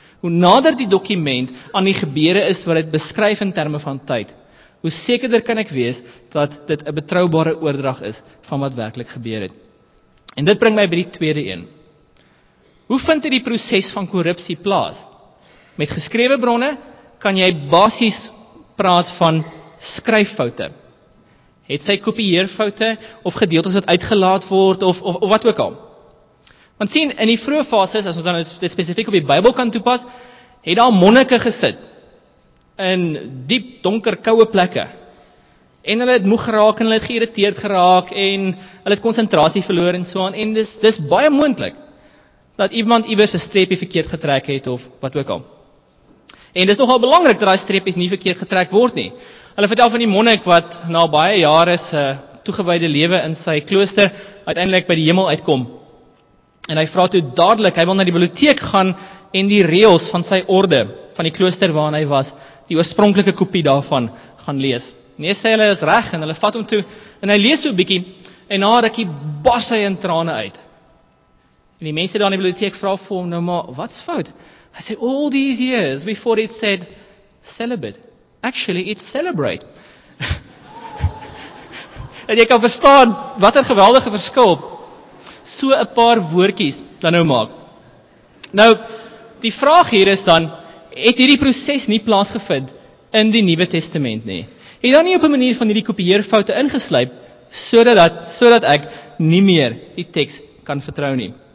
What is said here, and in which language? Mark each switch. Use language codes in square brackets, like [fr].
[af] Hoe nader die dokument aan die gebeure is wat dit beskryf in terme van tyd, hoe sekerder kan ek wees dat dit 'n betroubare oordrag is van wat werklik gebeur het. En dit bring my by die tweede een. Hoe vind dit die proses van korrupsie plaas? Met geskrewe bronne kan jy basies praat van skryffoute. Het sy kopieerfoute of gedeeltes wat uitgelaat word of wat ook al. Want sien, in die vroeë fases, as ons dan dit spesifiek op die Bybel kan toepas, het daar monnike gesit in diep, donker, koue plekke. En hulle het moeg geraak en hulle het geïrriteerd geraak en hulle het konsentrasie verloor en so aan. En dis baie moontlik dat iemand iewers 'n streepie verkeerd getrek het of wat ook al. En dis nogal belangrik dat daai streepies nie verkeerd getrek word nie. Hulle vertel van die monnik wat na baie jare se toegewyde lewe in sy klooster uiteindelik by die hemel uitkom. En hy vra toe dadelik, hy wil na die biblioteek gaan en die reëls van sy orde, van die klooster waarin hy was, die oorspronklike kopie daarvan gaan lees. Nee, sê hulle is reg en hulle vat hom toe en hy lees so 'n bietjie en na rukkie bars hy in trane uit. En die mense daar in die biblioteek vra vir hom nou maar, wat's fout? Hy sê, [en] all these years before it said celibate, actually it celebrate. [af] En jy kan verstaan wat 'n geweldige verskil so 'n paar woordjies dan nou maak. Nou, die vraag hier is dan, het hierdie proses nie plaasgevind in die Nuwe Testament nie? Het dan nie op 'n manier van hierdie kopieerfoute ingesluip, so dat ek nie meer die teks kan vertrou nie?